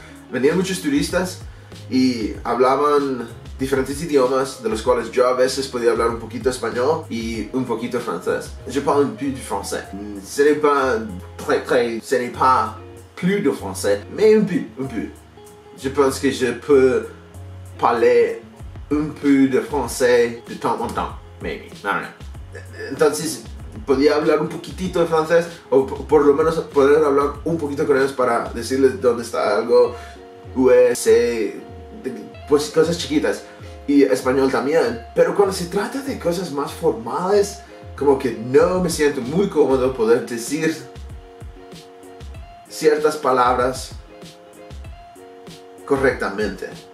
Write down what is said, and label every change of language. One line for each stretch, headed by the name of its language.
Spanish: Venían muchos turistas y hablaban diferentes idiomas, de los cuales yo a veces podía hablar un poquito español y un poquito francés.
French: Je parle un peu de français. Ce n'est pas très très, ce n'est pas plus de français, mais un peu. Je pense que je peux parler un peu de français de temps en temps,
English: maybe,
French: no, no.
Spanish: Entonces, podía hablar un poquitito de francés, o por lo menos poder hablar un poquito con ellos para decirles dónde está algo, pues cosas chiquitas. y español también, pero cuando se trata de cosas más formales, como que no me siento muy cómodo poder decir ciertas palabras correctamente.